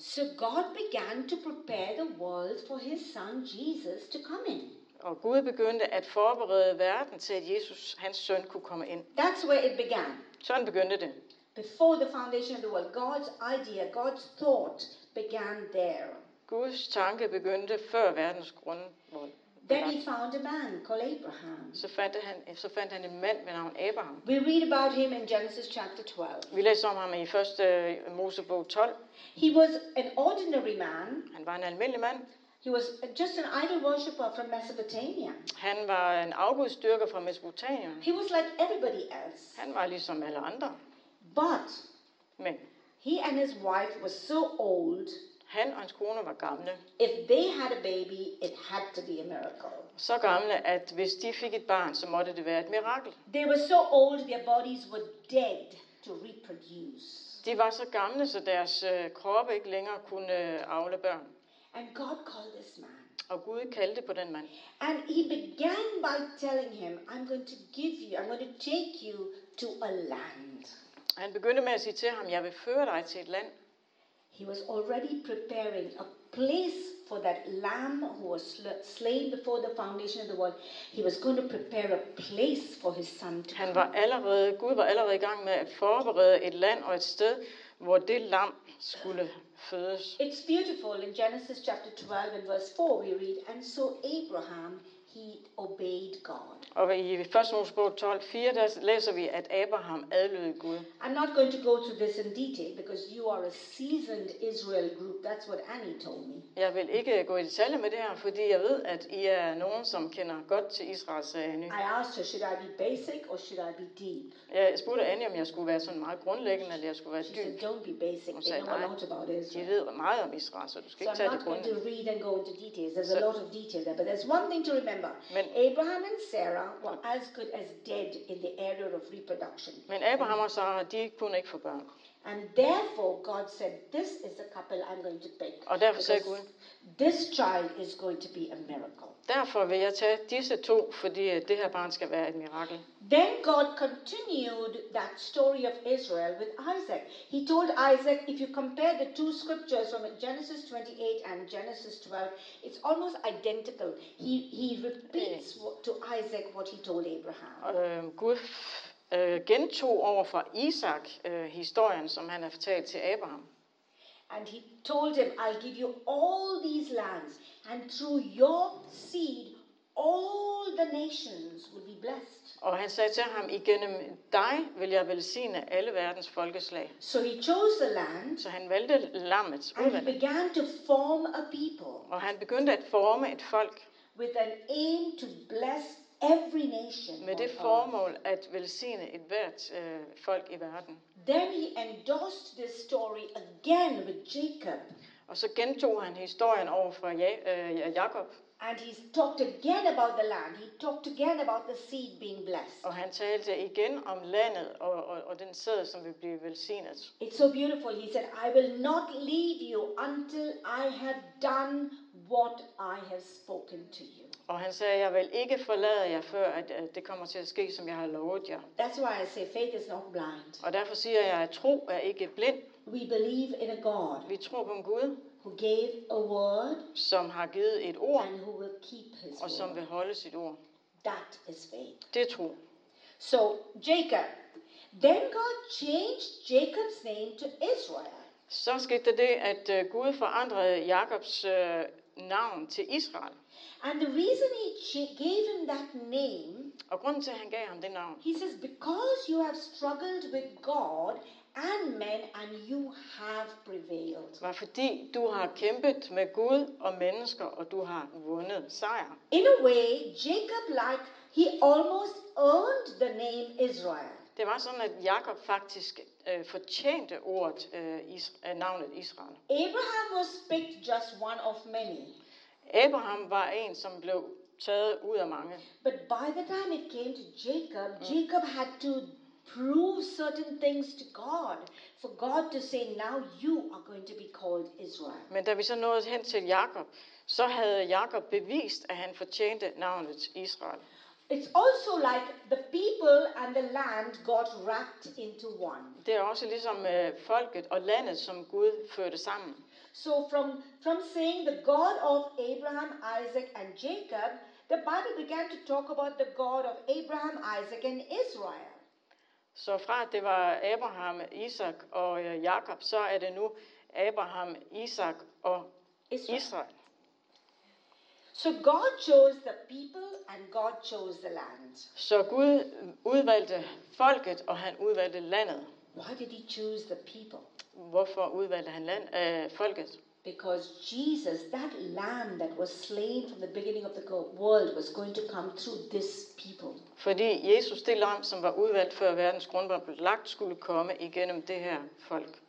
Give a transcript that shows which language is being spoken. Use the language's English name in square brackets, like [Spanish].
[English] So God began to prepare the world for his son Jesus to come in. [Danish] Og Gud begyndte at forberede verden til, at Jesus, hans søn, kunne komme ind. [English] That's where it began. [Danish] Sådan begyndte det. [English] Before the foundation of the world, God's idea, God's thought began there. [Danish] Guds tanke begyndte før verdens grundvold. [English] Then he found a man called Abraham. [Danish] Så fandt han en mand ved navn Abraham. [English] We read about him in Genesis chapter 12. [Danish] Vi læser om ham i 1. Mosebog 12. [English] He was an ordinary man. [Danish] Han var en almindelig mand. [English] He was just an idol worshipper from Mesopotamia. [Danish] Han var en afgudsdyrker fra Mesopotamien. [English] He was like everybody else. [Danish] Han var ligesom alle andre. [English] But [Danish] men, [English] he and his wife were so old. [Danish] Han og hans kone var gamle. [English] If they had a baby, it had to be a miracle. [Danish] Så gamle, at hvis de fik et barn, så måtte det være et mirakel. [English] They were so old, their bodies were dead to reproduce. [Danish] De var så gamle, så deres kroppe ikke længere kunne avle børn. [English] And God called this man. [Danish] Og Gud kaldte på den mand. [English] And he began by telling him, I'm going to give you, I'm going to take you to a land. [Danish] Han begyndte med at sige til ham, jeg vil føre dig til et land. [English] He was already preparing a place for that lamb who was slain before the foundation of the world. He was going to prepare a place for his son to come. [Danish] Gud var allerede i gang med at forberede et land og et sted, hvor det lam skulle fødes. [English] It's beautiful in Genesis chapter 12 and verse 4 we read, and so Abraham, he obeyed God. [Danish] Og i 1. Mosebog 12:4 der læser vi, at Abraham adlød Gud. [English] I'm not going to go to this in detail because you are a seasoned Israel group. That's what Annie told me. [Danish] Jeg vil ikke gå i detaljer med det her, fordi jeg ved, at I er nogen, som kender godt til Israels ny. [English] I asked her, should I be basic or should I be deep? [Danish] Jeg spurgte Annie, om jeg skulle være sådan meget grundlæggende, eller jeg skulle være dyb. [English] She said, don't be basic. They know a lot about Israel. [Danish] De ved meget om Israel, så du skal ikke tage det grundlæggende. [English] So I'm not going to read and go into details. There's a lot of detail there, but there's one thing to remember. [Danish] Men [English] Abraham and Sarah were as good as dead in the area of reproduction. [Danish] Men Abraham og Sarah, de kunne ikke få børn. [English] And therefore God said, this is the couple I'm going to pick. [Danish] Og derfor sagde Gud, [English] this child is going to be a miracle. [Danish] Derfor vil jeg tage disse to, fordi det her barn skal være et mirakel. [English] Then God continued that story of Israel with Isaac. He told Isaac, if you compare the two scriptures from Genesis 28 and Genesis 12, it's almost identical. He repeats to Isaac what he told Abraham. [Danish] Gud gentog over for Isaac historien, som han har fortalt til Abraham. [English] And he told him, I'll give you all these lands, and through your seed, all the nations will be blessed. [Danish] Og han sagde til ham, igennem dig vil jeg velsigne alle verdens folkeslag. [English] So he chose the land, [Danish] så han valgte lammet, [English] and he began to form a people. [Danish] Og han begyndte at forme et folk. [English] With an aim to bless every nation. [Danish] Med det formål at velsigne et hvert folk i verden. [English] Then he endorsed this story again with Jacob. [Danish] Og så gentog han historien over for Jakob. [English] And he talked again about the land. He talked again about the seed being blessed. [Danish] Og han talte igen om landet og den sæd, som vil blive velsignet. [English] It's so beautiful. He said, I will not leave you until I have done what I have spoken to you. [Danish] Og han sagde, jeg vil ikke forlade jer, før at det kommer til at ske, som jeg har lovet jer. [English] That's why I say faith is not blind. [Danish] Og derfor siger jeg, at tro er ikke blind. [English] We believe in a God. [Danish] Vi tror på en Gud. [English] Who gave a word. [Danish] Som har givet et ord. [English] And who will keep his [Danish] og som [English] word. [Danish] Vil holde sit ord. [English] That is faith. [Danish] Det er tro. [English] So Jacob. Then God changed Jacob's name to Israel. [Danish] Så skete det, at Gud forandrede Jakobs navn til Israel. [English] And the reason he gave him that name. [Danish] Og grunden til, at han gav ham det navn. [English] He says, because you have struggled with God and men, and you have prevailed. [Danish] Var fordi du har kæmpet med Gud og mennesker, og du har vundet sejr. [English] In a way, Jacob, like he almost earned the name Israel. [Danish] Det var sådan, at Jakob faktisk fortjente ordet navnet Israel. [English] Abraham was picked just one of many. [Danish] Abraham var en, som blev taget ud af mange. [English] But by the time it came to Jacob, Jacob had to prove certain things to God, for God to say, now you are going to be called Israel. [Danish] Men da vi så nåede hen til Jakob, så havde Jakob bevist, at han fortjente navnet Israel. [English] It's also like the people and the land got wrapped into one. [Danish] Det er også ligesom folket og landet, som Gud førte sammen. [English] So from saying the God of Abraham, Isaac and Jacob, the Bible began to talk about the God of Abraham, Isaac and Israel. [Danish] Så fra at det var Abraham, Isaac og Jakob, så er det nu Abraham, Isaac og Israel. Israel. [English] So God chose the people and God chose the land. [Danish] Så Gud udvalgte folket og han udvalgte landet. [English] Why did he choose the people? [Danish] Hvorfor udvalgte han folket? [English] Because Jesus, that lamb that was slain from the beginning of the world, was going to come through this people. [Danish] Fordi Jesus, det lam, som var udvalgt før verdens grundvold blev lagt, skulle komme igennem det her folk.